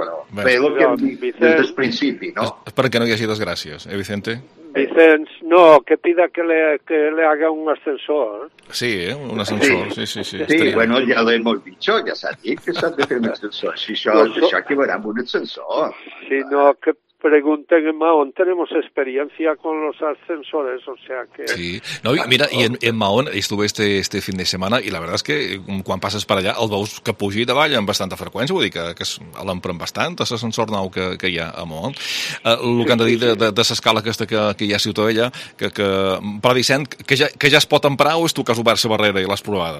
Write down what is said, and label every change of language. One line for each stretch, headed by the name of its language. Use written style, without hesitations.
Catalan: Bé, el que hem dit Vicenç, des del principi, no? És perquè no hi hagi desgràcies, eh, Vicente?
Spanish: Vicenç, no, que pida que le haga un ascensor. Sí, eh? Un ascensor, sí. Sí, estaria.
Catalan: Bueno, ja l'he molt dit, ja s'ha dit que s'ha de fer un ascensor. Si això, això acabarà amb un ascensor.
Spanish: Sí, no, que pregúntenme, on tenemos experiencia con los ascensores, o sea que... Sí, no, mira, y en Mahón estuve este fin de semana, y la verdad es que
Catalan: quan passes per allà el veus que puja i davalla amb bastanta freqüència, vull dir que l'empren bastant, l'ascensor nou que hi ha a Mahón. El sí, que han de dir de l'escala aquesta que hi ha a Ciutadella, que però Vicent, que ja es pot emprar o és tu que has obert la barrera i l'has provada?